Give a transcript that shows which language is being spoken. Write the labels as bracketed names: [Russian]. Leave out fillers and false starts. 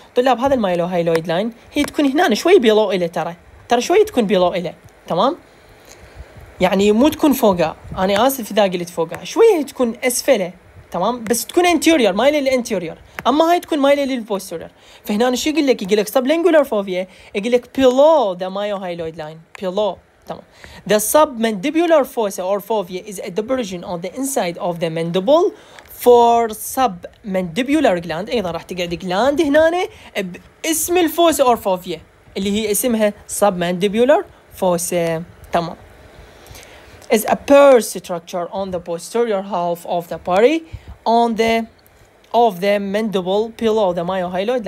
[Arabic] طلاب هذا المايلوهايلويد لاين هي تكون هنا شوي below إلى ترى شوي تكون below إلى تمام؟ يعني مو تكون فوقها, أنا آسف إذا قلت فوقها, شوية تكون أسفله تمام, بس تكون انتيريور مايل للانتيريور, أما هاي تكون مايل للبوستيريور. فهنا أنا شو يقول لك؟ يقول لك سبلينجولار فوفيا, يقول لك بيلو ذا مايوهايلويد لاين بيلو تمام. [English] The submandibular fossa or fovea is a debrision on the inside of the mandible for submandibular gland. [Arabic] أيضا راح تقعد جلاند هنا باسم الفوسا or fovea اللي هي اسمها submandibular fossa تمام. [English] Is a paired structure on the posterior half of the body on the of the mandible below the myohyoid line.